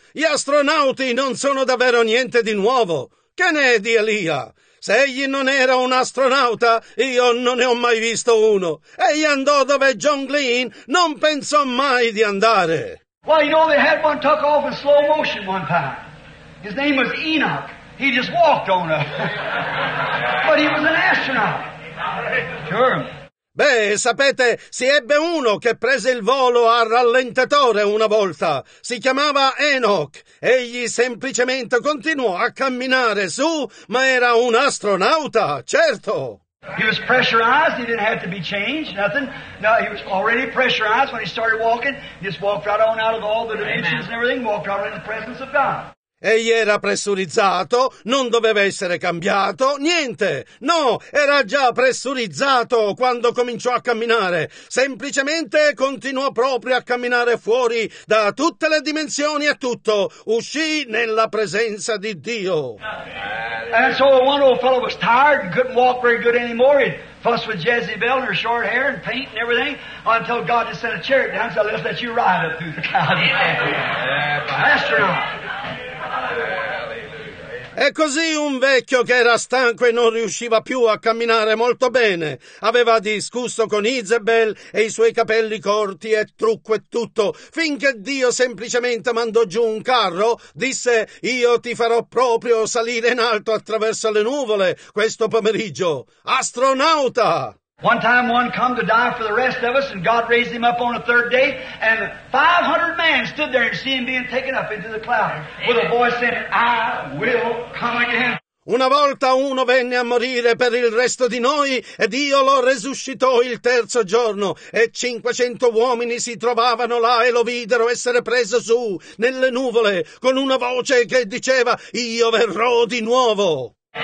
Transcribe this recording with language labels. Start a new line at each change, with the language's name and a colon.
Italian: Gli astronauti non sono davvero niente di nuovo. Che ne è di Elia? Se egli non era un astronauta, io non ne ho mai visto uno. Egli andò dove John Glenn non pensò mai di andare.
English: Well, you know, they had one took off in slow motion one time. His name was Enoch. He just walked on up. But he was an astronaut. Sure.
Italian: Beh, sapete, si ebbe uno che prese il volo a rallentatore una volta. Si chiamava Enoch. Egli semplicemente continuò a camminare su, ma era un astronauta, certo.
English: He was pressurized. He didn't have to be changed, nothing. No, he was already pressurized when he started walking. He just walked right on out of all the dimensions. Amen. And everything, walked right in the presence of God.
Italian: Egli era pressurizzato, non doveva essere cambiato, niente. No, era già pressurizzato quando cominciò a camminare. Semplicemente continuò proprio a camminare fuori da tutte le dimensioni e tutto. Uscì nella presenza di Dio.
English: And so one old fellow was tired and couldn't walk very good anymore. He fussed with Jezebel and her short hair and paint and everything until God just sent a chariot down and said, let's let you ride up through the clouds. Astronaut.
Italian: E così un vecchio che era stanco e non riusciva più a camminare molto bene aveva discusso con Isabel e i suoi capelli corti e trucco e tutto, finché Dio semplicemente mandò giù un carro, disse: io ti farò proprio salire in alto attraverso le nuvole questo pomeriggio, astronauta!
English: One time one come to die for the rest of us, and God raised him up on the third day, and 500 men stood there and see him being taken up into the cloud with a voice saying, I will come again.
Italian: Una volta uno venne a morire per il resto di noi e Dio lo resuscitò il terzo giorno e 500 uomini si trovavano là e lo videro essere preso su nelle nuvole con una voce che diceva, io verrò di nuovo.